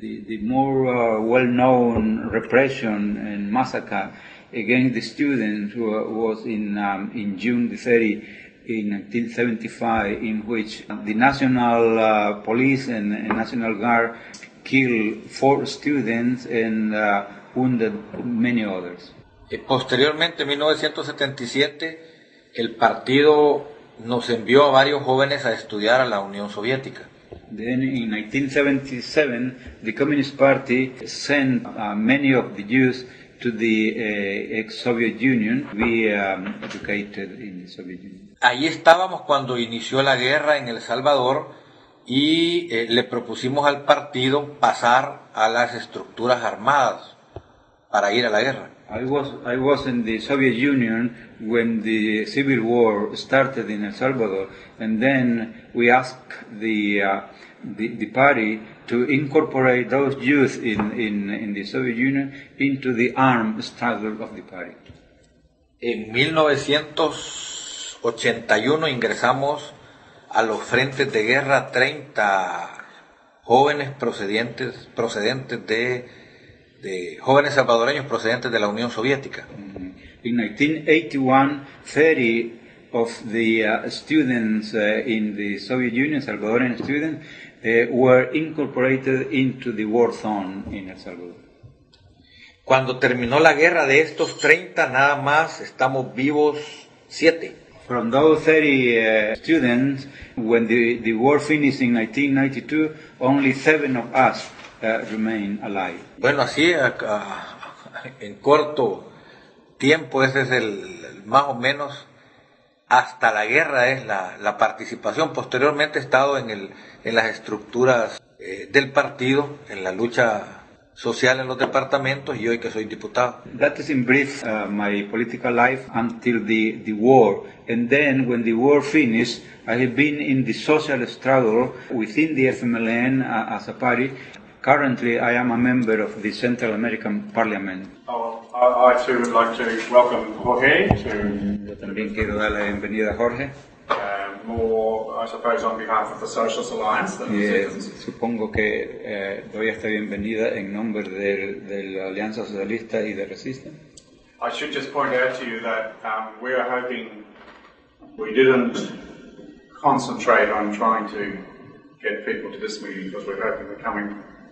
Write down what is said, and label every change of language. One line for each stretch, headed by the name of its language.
English: The more well-known repression and massacre against the students was in June the 30 in 1975, in which the National Police and National Guard killed 4 students and wounded many others.
Spanish: Posteriormente, en 1977, el partido nos envió a varios jóvenes a estudiar a la Unión Soviética.
English: Then in 1977, the Communist Party sent many of the youth to the ex-Soviet Union to be educated in the Soviet Union.
Spanish: Ahí estábamos cuando inició la guerra en El Salvador y le propusimos al partido pasar a las estructuras armadas para ir a la guerra.
English: I was in the Soviet Union when the civil war started in El Salvador, and then we asked the party to incorporate those youth in the Soviet Union into the armed struggle of the party.
Spanish: En 1981 ingresamos a los frentes de guerra 30 jóvenes procedentes de jóvenes salvadoreños procedentes de la Unión Soviética.
English: In 1981, 30 of the students in the Soviet Union, Salvadorian students, were incorporated into the war zone in El Salvador.
Spanish: Cuando terminó la guerra, de estos 30 nada más estamos vivos 7.
English: From those 30 students, when the war finished in 1992, only 7 of us remain alive.
Spanish: Bueno, así en corto tiempo, ese es el más o menos hasta la guerra es la participación. Posteriormente he estado en las estructuras del partido en la lucha social en los departamentos y hoy que soy diputado.
English: That is in brief my political life until the war, and then when the war finished, I have been in the social struggle within the FMLN as a party. Currently, I am a member of the Central American Parliament. I too would like to welcome Jorge.
Spanish: Yo también quiero dar la bienvenida a Jorge.
English: More, I suppose, on behalf of the Socialist Alliance.
Spanish: Supongo que doy esta bienvenida en nombre de la Alianza Socialista y de Resistance.
English: I should just point out to you that we are hoping we didn't concentrate on trying to get people to this meeting because we're hoping they're coming.